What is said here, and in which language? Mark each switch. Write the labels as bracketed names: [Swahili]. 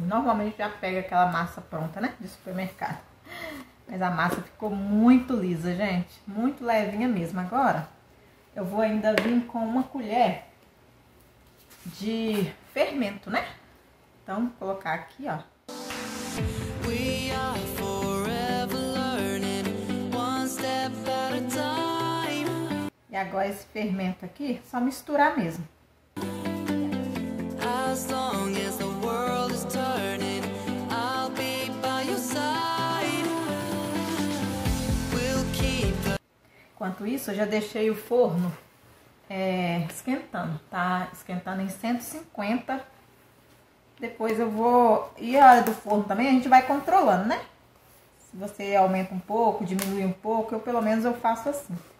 [Portuguese] Normalmente já pega aquela massa pronta, né? De supermercado. Mas a massa ficou muito lisa, gente. Muito levinha mesmo. Agora, eu vou ainda vir com uma colher de fermento, né? Então, vou colocar aqui, ó. [English] We are forever learning, one step at a time. [Portuguese] E agora esse fermento aqui, só misturar mesmo. [English] As long as the world is turning, I'll be by your side. We'll keep the... [Portuguese] Enquanto isso, eu já deixei o forno esquentando, tá? Esquentando em 150. Depois eu vou... E a hora do forno também a gente vai controlando, né? Se você aumenta um pouco, diminui um pouco, eu pelo menos eu faço assim.